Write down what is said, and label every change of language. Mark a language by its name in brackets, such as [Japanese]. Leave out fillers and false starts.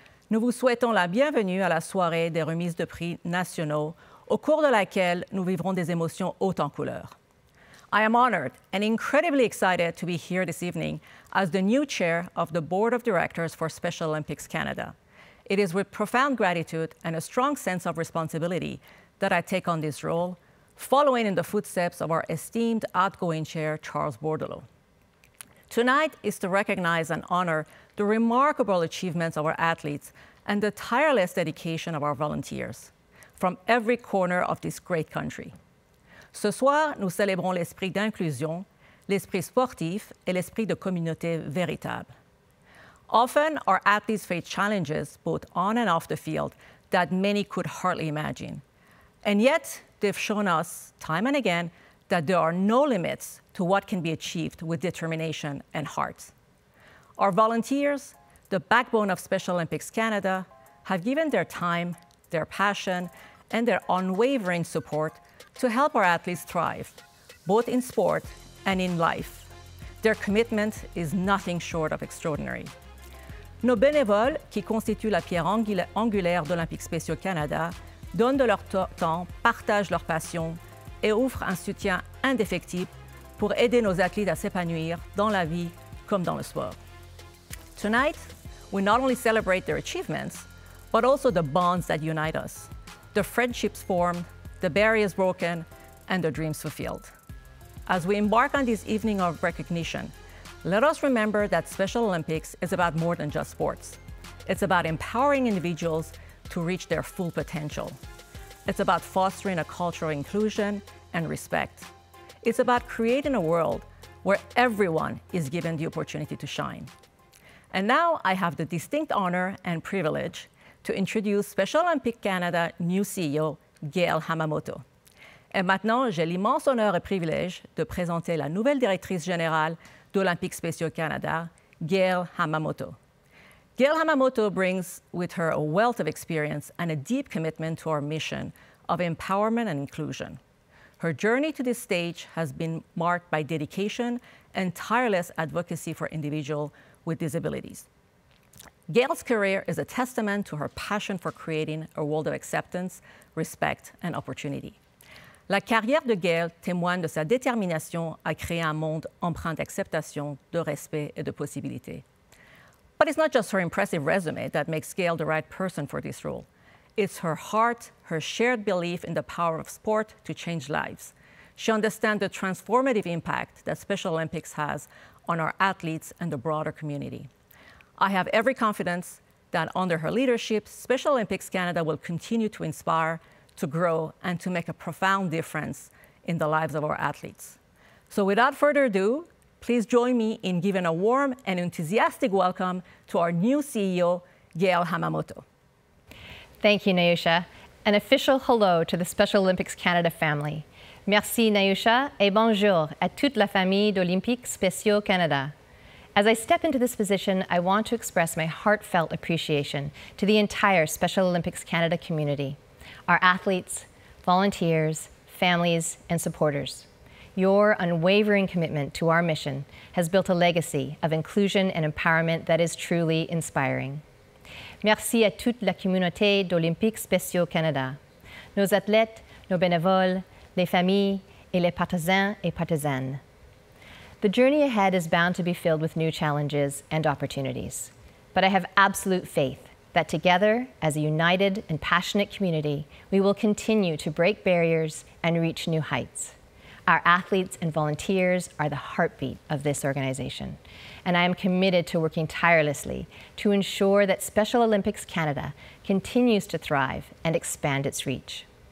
[French] Nous vous souhaitons la bienvenue à la soirée des remises de prix nationaux, au cours de laquelle nous vivrons des émotions hautes en couleur. [English] I am honored and incredibly excited to be here this evening as the new chair of the Board of Directors for Special Olympics Canada. It is with profound gratitude and a strong sense of responsibility that I take on this role, following in the footsteps of our esteemed outgoing chair, Charles Bordelot. Tonight is to recognize and honor the remarkable achievements of our athletes and the tireless dedication of our volunteers from every corner of this great country. [French] Ce soir, nous célébrons l'esprit d'inclusion, l'esprit sportif et l'esprit de communauté véritable. [English] Often, our athletes face challenges, both on and off the field, that many could hardly imagine. And yet, they've shown us, time and again, that there are no limits to what can be achieved with determination and heart. Our volunteers, the backbone of Special Olympics Canada, have given their time, their passion, and their unwavering support to help our athletes thrive, both in sport and in life. Their commitment is nothing short of extraordinary. [French] Nos bénévoles, qui constituent la pierre angulaire d'Olympiques spéciaux Canada, donnent de leur temps, partagent leur passion et offrent un soutien indéfectible pour aider nos athlètes à s'épanouir dans la vie comme dans le sport. [English] Tonight, we not only celebrate their achievements, but also the bonds that unite us, the friendships formed, the barriers broken, and the dreams fulfilled. As we embark on this evening of recognition, let us remember that Special Olympics is about more than just sports. It's about empowering individuals to reach their full potential. It's about fostering a culture of inclusion and respect. It's about creating a world where everyone is given the opportunity to shine. And now I have the distinct honor and privilege to introduce Special Olympic Canada new CEO, Gail Hamamoto. [French] Et maintenant, j'ai l'immense honneur et privilège de présenter la nouvelle directrice générale d'Olympiques spéciaux Canada, Gail Hamamoto. [English] Gail Hamamoto brings with her a wealth of experience and a deep commitment to our mission of empowerment and inclusion. Her journey to this stage has been marked by dedication and tireless advocacy for individuals with disabilities. Gail's career is a testament to her passion for creating a world of acceptance, respect, and opportunity. [French] La carrière de Gail témoigne de sa détermination à créer un monde empreint d'acceptation, de respect et de possibilités. [English] But it's not just her impressive resume that makes Gail the right person for this role. It's her heart, her shared belief in the power of sport to change lives. She understands the transformative impact that Special Olympics has on our athletes and the broader community. I have every confidence that under her leadership, Special Olympics Canada will continue to inspire, to grow, and to make a profound difference in the lives of our athletes. So without further ado, please join me in giving a warm and enthusiastic welcome to our new CEO, Gail Hamamoto. Thank you, Nayusha. An official hello to the Special Olympics Canada family. [French] Merci, Nayusha, et bonjour à toute la famille d'Olympiques spéciaux Canada. [English] As I step into this position, I want to express my heartfelt appreciation to the entire Special Olympics Canada community, our athletes, volunteers, families, and supporters. Your unwavering commitment to our mission has built a legacy of inclusion and empowerment that is truly inspiring. [French] Merci à toute la communauté d'Olympiques spéciaux Canada. Nos athlètes, nos bénévoles, les familles et les partisans et partisanes. [English] The journey ahead is bound to be filled with new challenges and opportunities, but I have absolute faith that together, as a united and passionate community, we will continue to break barriers and reach new heights. Our athletes and volunteers are the heartbeat of this organization, and I am committed to working tirelessly to ensure that Special Olympics Canada continues to thrive and expand its reach.